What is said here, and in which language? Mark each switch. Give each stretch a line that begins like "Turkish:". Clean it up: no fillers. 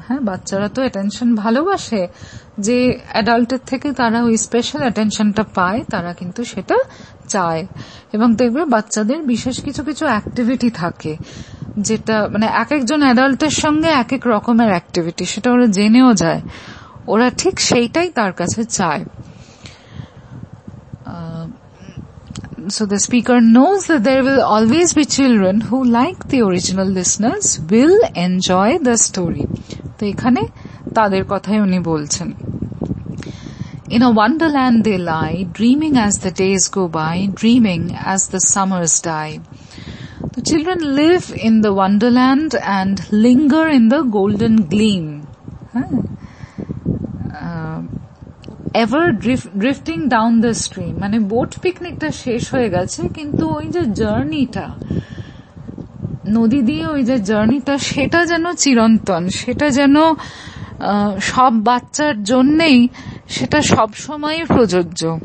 Bangla: হ্যাঁ, বাচ্চারা তো অ্যাটেনশন ভালোবাসে, যে অ্যাডাল্টের থেকে তারা ওই স্পেশাল অ্যাটেনশনটা পায় তারা কিন্তু সেটা চায়, এবং দেখবে বাচ্চাদের বিশেষ কিছু কিছু অ্যাক্টিভিটি থাকে যেটা মানে এক একজন অ্যাডাল্টের সঙ্গে এক এক রকমের অ্যাক্টিভিটি, সেটা ওরা জেনেও যায়, ওরা ঠিক সেইটাই তার কাছে চায়।
English: So the speaker knows that there will always be children who, like the original listeners, will enjoy the story.
Bangla: To ekhane tader kothay uni bolchen.
English: In a wonderland they lie, dreaming as the days go by, dreaming as the summers die. The children live in the wonderland and linger in the golden gleam. Ever drifting down the stream,
Bangla: মানে boat পিকনিকটা শেষ হয়ে গেছে কিন্তু ওই যে জার্নিটা নদী দিয়ে, ওই যে জার্নিটা সেটা যেন চিরন্তন, সেটা যেন সব বাচ্চার জন্যেই সেটা সবসময় প্রযোজ্য।